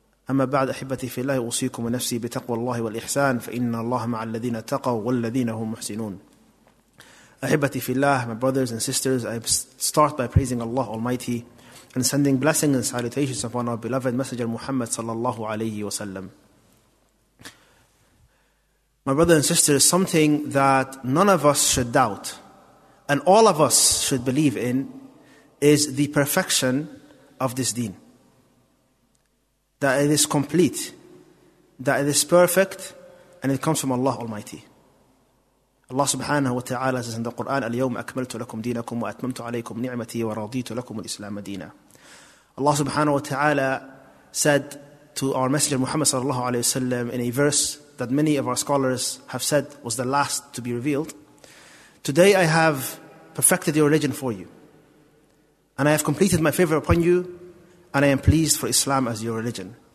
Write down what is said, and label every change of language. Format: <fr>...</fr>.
<ar>أما بعد أحبتي في الله</ar> <en>أوصيكم ونفسي بتقوى الله والإحسان فإن الله مع الذين تقوا والذين هم محسنون أحبتي في الله, my brothers and sisters, I start by praising Allah Almighty and sending blessings and salutations upon our beloved Messenger Muhammad sallallahu alayhi wa sallam. My brothers and sisters, something that none of us should doubt and all of us should believe in is the perfection of this deen. That it is complete, that it is perfect, and it comes from Allah Almighty. Allah subhanahu wa ta'ala says in the Quran,</en> <ar>اليوم أكملت لكم دينكم وأتممت عليكم نعمتي ورضيت لكم الإسلام دينا.</ar> <en>Allah subhanahu wa ta'ala said to our Messenger Muhammad sallallahu alayhi wa sallam in a verse that many of our scholars have said was the last to be revealed, today I have perfected your religion for you, and I have completed my favor upon you, and I am pleased for Islam as your religion.</en>